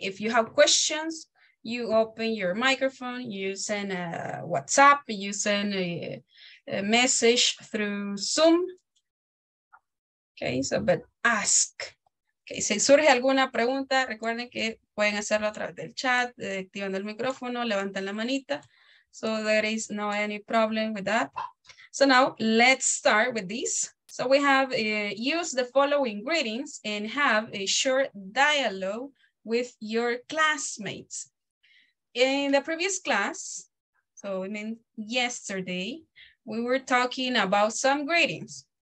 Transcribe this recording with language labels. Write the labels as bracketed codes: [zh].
[en] If you have questions, you open your microphone, you send a WhatsApp, you send a message through Zoom. Okay, so, but ask. Okay, [es] si surge alguna pregunta, recuerden que pueden hacerlo a través del chat, activando el micrófono, levantan la manita. [en] So there is no any problem with that. So now let's start with this. So we have use the following greetings and have a short dialogue with your classmates. In the previous class, so I mean yesterday, we were talking about some greetings.